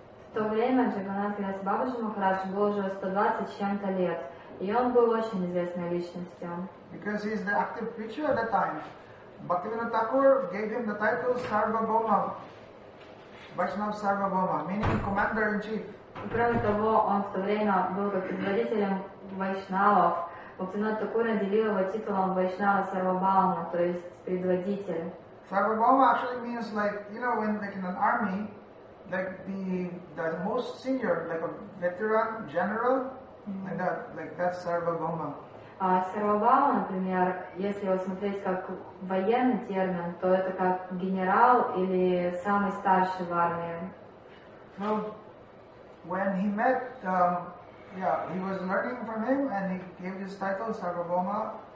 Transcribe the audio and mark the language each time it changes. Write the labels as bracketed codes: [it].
[ru] В то время Джаганнат Дас Бабаджи Махарадж был уже 120 с чем-то лет, и он был очень известной личностью. [en] Because he is the active preacher at that time, Bhaktivinoda Thakur gave him the title Sarvabhauma, Vaishnava Sarvabhauma, meaning commander in chief. [ru] Кроме того, он в то время был как предводителем вайшнавов. Бхактивинода Такур наделил его титулом Вайшнава Сарвабхаума, то есть предводитель. [en] Sarvabhauma actually means like, you know, when like in an army, like the most senior, like a veteran, general, like that, like that's Sarvabhauma. [ru] Sarvabhauma, например, если его смотреть как военный термин, то это как генерал или самый старший в армии. [en] So, when he met, he was learning from him and he gave his title Sarvabhauma,